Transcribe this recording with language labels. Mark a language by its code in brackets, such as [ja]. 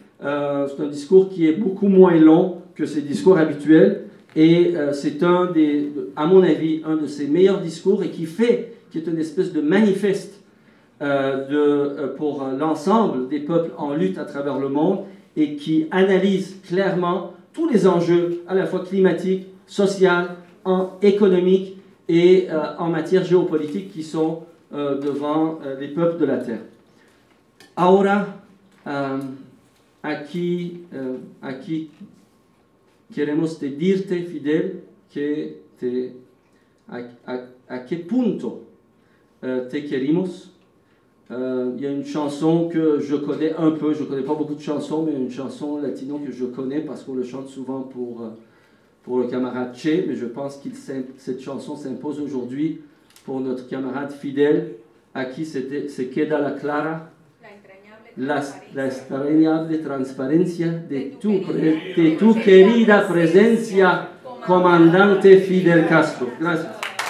[fr] C'est un discours qui est beaucoup moins long que ses discours habituels, et c'est un des, à mon avis, un de ses meilleurs discours, et qui est une espèce de manifeste pour l'ensemble des peuples en lutte à travers le monde, et qui analyse clairement tous les enjeux, à la fois climatiques, sociaux, économiques et en matière géopolitique, qui sont devant les peuples de la terre. [es] Ahora, aquí queremos decirte, Fidel, a qué punto te queremos. [fr] Il y a une chanson que je connais un peu, je ne connais pas beaucoup de chansons, mais une chanson latino que je connais parce qu'on le chante souvent pour le camarade Che, mais je pense que cette chanson s'impose aujourd'hui pour notre camarade Fidel. [es] Aquí se queda la clara, la extrañable transparencia de tu querida presencia, comandante Fidel Castro. Gracias.